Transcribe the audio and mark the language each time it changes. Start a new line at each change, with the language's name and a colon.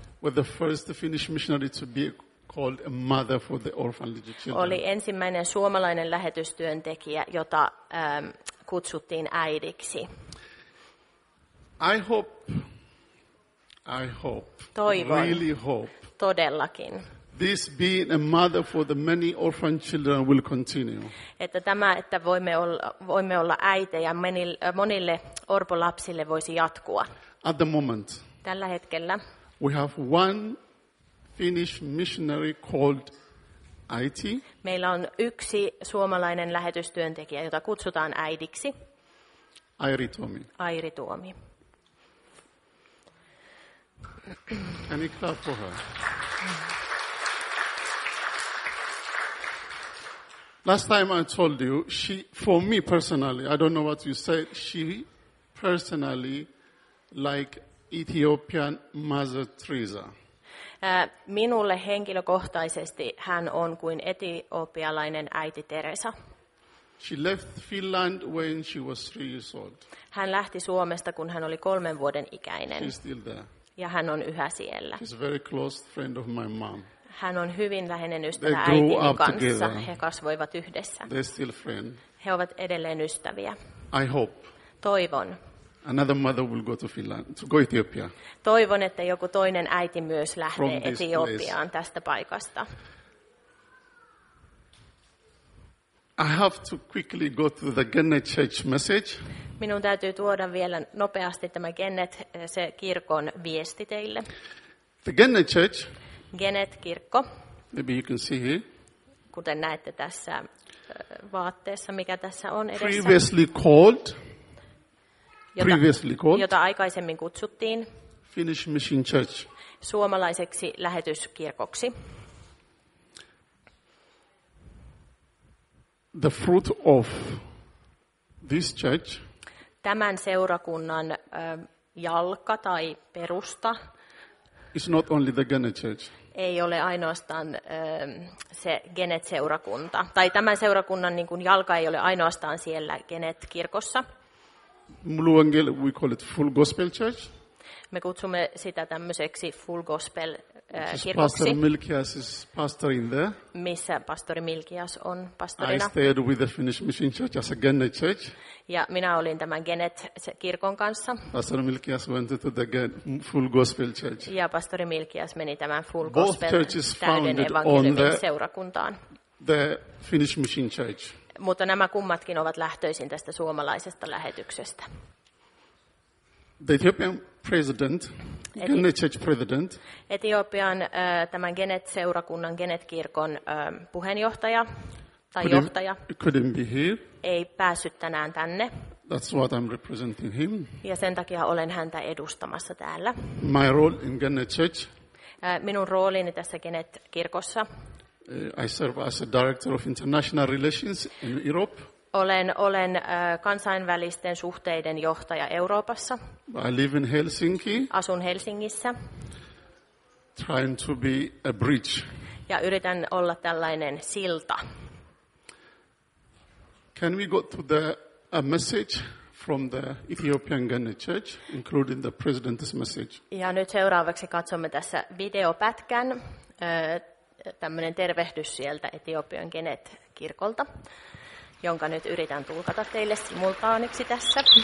English: Was the first Finnish missionary to be called a mother for the orphan little children.
Finnish: Oli ensimmäinen suomalainen lähetystyöntekijä, jota kutsuttiin äidiksi.
English: I hope.
Finnish: Toivon,
English: really hope.
Finnish: Todellakin.
English: This being a mother for the many orphan children will continue.
Finnish: Että tämä, että voimme olla äitejä monille orpolapsille voisi jatkua.
English: At the moment.
Finnish: Tällä hetkellä.
English: We have one Finnish missionary called Aiti.
Finnish: Meillä on yksi suomalainen lähetystyöntekijä, jota kutsutaan äidiksi.
English: Airi Tuomi.
Finnish: Airi Tuomi.
English: Can you clap for her? Last time I told you, she, for me personally, I don't know what you said, she personally like Ethiopian Mother Teresa.
Finnish: Minulle henkilökohtaisesti hän on kuin etiopialainen äiti Teresa.
English: She left Finland when she was 3 years old.
Finnish: Hän lähti Suomesta, kun hän oli 3 vuoden ikäinen.
English: She's still there.
Finnish: Ja hän on yhä siellä.
English: She's a very close friend of my mom.
Finnish: Hän on hyvin läheinen ystävä äitin kanssa. He kasvoivat yhdessä.
English: They're still friends.
Finnish: He ovat edelleen ystäviä.
English: I hope.
Finnish: Toivon.
English: Another mother will go to Finland, to go Ethiopia.
Finnish: Toivon, että joku toinen äiti myös lähtee Etiopiaan tästä paikasta.
English: I have to quickly go to the Gennet Church message.
Finnish: Minun täytyy tuoda vielä nopeasti tämä Gennet, se kirkon viesti teille.
English: The Gennet Church.
Finnish: Gennet kirkko.
English: Maybe you can see here.
Finnish: Kuten näette tässä vaatteessa, mikä tässä on edessä.
English: Previously called. Previously called,
Finnish: jota aikaisemmin kutsuttiin
English: Finnish Mission Church.
Finnish: Suomalaiseksi lähetyskirkoksi.
English: The fruit of this church.
Finnish: Tämän seurakunnan jalka tai perusta.
English: It's not only the Gennet Church.
Finnish: Ei ole ainoastaan se Gennet-seurakunta. Tai tämän seurakunnan niin kuin jalka ei ole ainoastaan siellä Gennet-kirkossa.
English: Muluangel, we call it full gospel church.
Finnish: Me kutsumme sitä tämmöiseksi full gospel kirkoksi.
English: Pastor Milkias is pastor in there.
Finnish: Missä pastori Milkias on pastorina?
English: I stayed with the Finnish Mission Church as a Gennet church.
Finnish: Ja minä olin tämän Gennet kirkon kanssa.
English: Pastor Milkias went to the full gospel church.
Finnish: Ja pastori Milkias meni tämän full
English: Both gospel churches founded on
Finnish: seurakuntaan.
English: The Finnish Mission Church.
Finnish: Mutta nämä kummatkin ovat lähtöisin tästä suomalaisesta lähetyksestä.
English: The Ethiopian president, Gennet Church president.
Finnish: Etiopian tämän Gennet-seurakunnan, Gennet-kirkon puheenjohtaja tai johtaja.
English: Couldn't be here.
Finnish: Ei päässyt tänään tänne.
English: That's what I'm representing him.
Finnish: Ja sen takia olen häntä edustamassa täällä.
English: My role in Gennet Church.
Finnish: minun roolini tässä Kenet kirkossa.
English: I serve as a director of international relations in Europe.
Finnish: Olen kansainvälisten suhteiden johtaja Euroopassa.
English: I live in Helsinki.
Finnish: Asun Helsingissä.
English: Trying to be a bridge.
Finnish: Ja yritän olla tällainen silta.
English: Can we go to a message from the Ethiopian Gene Church, including the president's message?
Finnish: Ja nyt seuraavaksi katsomme tässä videopätkän. Tämmöinen tervehdys sieltä Etiopian Genet kirkolta, jonka nyt yritän tulkata teille simultaaniksi tässä.